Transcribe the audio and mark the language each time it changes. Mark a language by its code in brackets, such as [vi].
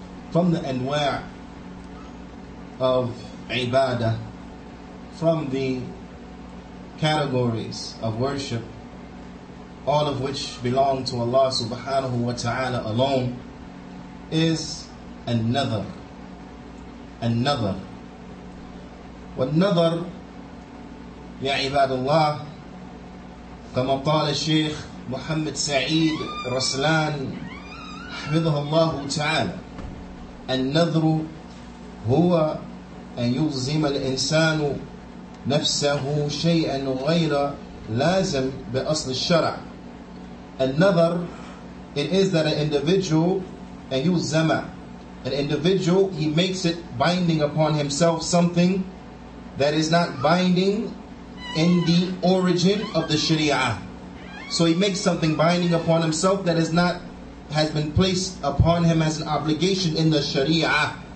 [en] From the anwa' of ibadah, from the categories of worship, all of which belong to Allah subhanahu wa ta'ala alone, is an-nadhar. An-nadhar. [ar] والنظر يا عباد الله كما قال الشيخ محمد سعيد رسلان حفظه الله تعالى, النظر هو أن يلزم الإنسان نفسه شيئا غير لازم بأصل الشرع. [en] النظر, it is that an individual, [ar] أن يلزم, [en] an individual, he makes it binding upon himself something that is not binding in the origin of the Sharia. So he makes something binding upon himself that is not, has been placed upon him as an obligation in the Sharia.